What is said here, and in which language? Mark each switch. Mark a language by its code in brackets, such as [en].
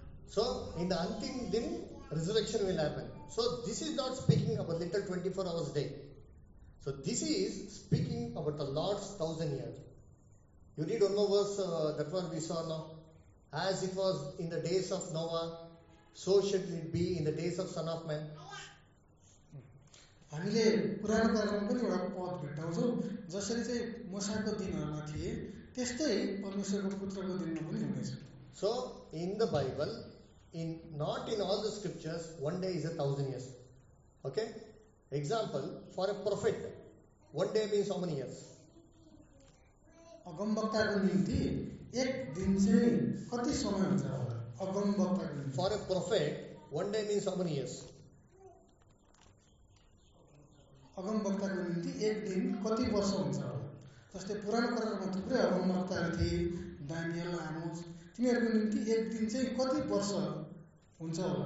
[en] So, in the antim din, resurrection will happen. So, this is not speaking about little 24 hours day. So, this is speaking about the Lord's 1,000 years. You read one more verse, that one we saw now. As it was in the days of Noah, so should it be in the days of Son of Man. [ne] हामीले पुरानो कार्यमा पनि एउटा पद भेट्टाउँछौँ, जसरी चाहिँ मसाको दिनहरूमा थिए त्यस्तै परमेश्वरको पुत्रको दिनमा पनि हुनेछ. [en] So in the Bible, in not in all the scriptures, one day is a thousand years. Okay, example for a prophet, one day means how many years? [ne] अगमवक्ताको निम्ति एक दिन चाहिँ कति समय हुन्छ? अगमवक्ताको निम्ति [en] For a prophet one day means how many years? [ne] अगमवक्ताको निम्ति एक दिन कति वर्ष हुन्छ? जस्तै पुरानो करारमा थुप्रै अगमवक्ताहरू थिए, दानियल, आमोस, तिनीहरूको निम्ति एक दिन चाहिँ कति वर्ष हुन्छ?